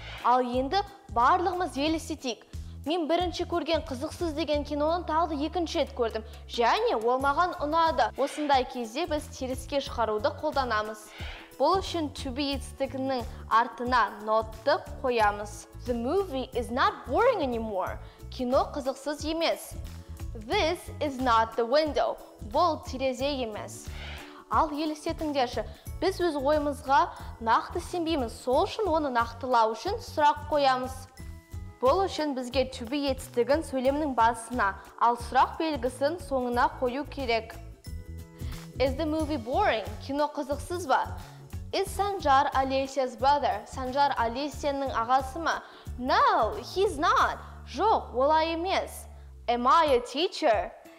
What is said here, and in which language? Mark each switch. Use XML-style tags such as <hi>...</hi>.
<kk>Ал енді барлығымыз елестетейік. Мен бірінші көрген қызықсыз деген киноны тағы екінші рет көрдім. Және ол маған ұнады. Осындай кезде біз теріске шығаруды қолданамыз. Бұл үшін to be етістігінің артына нотты қоямыз.</kk> <en>The movie is not boring anymore.</en> <kk>Кино қызықсыз емес.</kk> <en>This is not the window.</en> <kk>Бұл терезе емес. Ал елестетіңдерші, біз өз ойымызға нақты сенбейміз. Сол үшін оны нақтылау үшін сұрақ қоямыз. Бұл үшін бізге to be етістігін сөйлемнің басына, ал сұрақ белгісін соңына қою керек.</kk> <en>Is the movie boring?</en> <kk>Кино қызықсыз ба?</kk> <en>Is Sanjar Alessia's brother?</en> <kk>Sanjar Alessia-ның ағасы ма?</kk> <en>No, he's not.</en> <kk>Жоқ, олай емес.</kk> <en>Am I a teacher?</en>